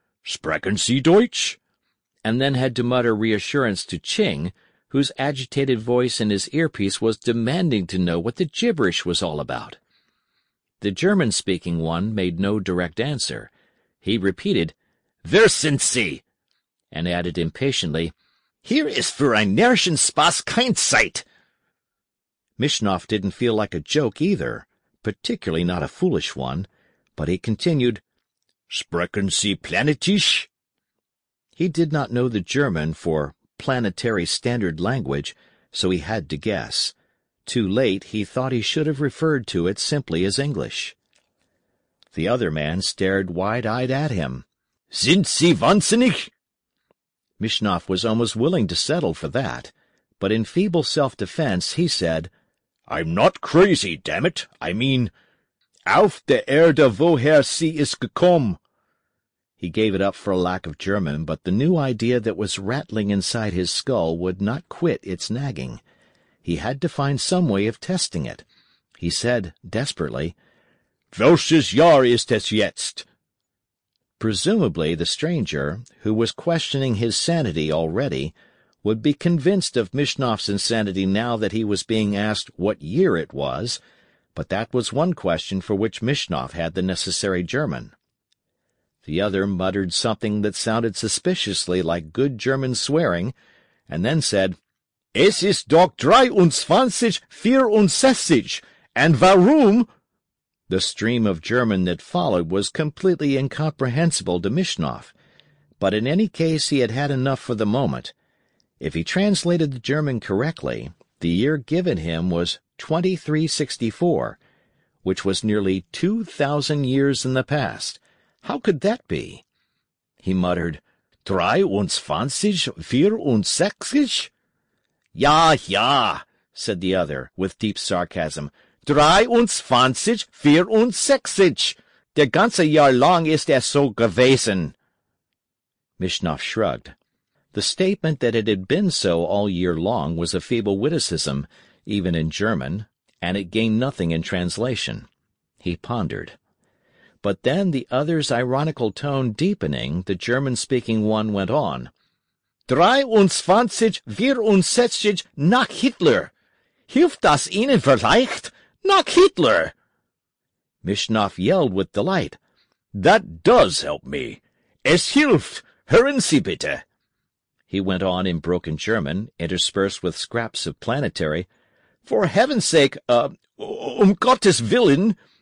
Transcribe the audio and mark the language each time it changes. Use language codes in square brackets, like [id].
[de] "Sprechen Sie Deutsch?" [en] and then had to mutter reassurance to Ching, whose agitated voice in his earpiece was demanding to know what the gibberish was all about. The German-speaking one made no direct answer. He repeated, [de] "Wer sind Sie?" [en] and added impatiently, [de] "Hier ist für ein närrischen Spaß kein Zeit." [en] Mishnoff didn't feel like a joke either, particularly not a foolish one, but he continued, [de] "Sprechen Sie Planetisch?" [en] He did not know the German for planetary standard language, so he had to guess. Too late, he thought he should have referred to it simply as English. The other man stared wide-eyed at him. "Sind Sie wahnsinnig?" Mishnoff was almost willing to settle for that, but in feeble self-defense he said, "I'm not crazy, damn it. I mean, [de] auf der Erde woher sie ist gekommen." [en] He gave it up for a lack of German, but the new idea that was rattling inside his skull would not quit its nagging. He had to find some way of testing it. He said desperately, [de] "Welches Jahr ist es jetzt?" [en] Presumably the stranger, who was questioning his sanity already, would be convinced of Mishnoff's insanity now that he was being asked what year it was, but that was one question for which Mishnoff had the necessary German. The other muttered something that sounded suspiciously like good German swearing, and then said, [de] "Es ist doch 23:64, and warum?" [en] The stream of German that followed was completely incomprehensible to Mishnoff, but in any case he had had enough for the moment. If he translated the German correctly, the year given him was 2364, which was nearly 2,000 years in the past. How could that be? He muttered, [de] "23:64?" "Ja, ja," said the other, with deep sarcasm. 23:64. Der ganze Jahr lang ist es so gewesen." [en] Mishnoff shrugged. The statement that it had been so all year long was a feeble witticism, even in German, and it gained nothing in translation. He pondered. But then, the other's ironical tone deepening, the German-speaking one went on. [de] 23:64 nach Hitler. hilft das Ihnen vielleicht? Nach Hitler! [en] Mishnoff yelled with delight. That does help me. [de] Es hilft! Hören Sie bitte! [en] He went on in broken German, interspersed with scraps of planetary. For heaven's sake, [de] Gottes Willen!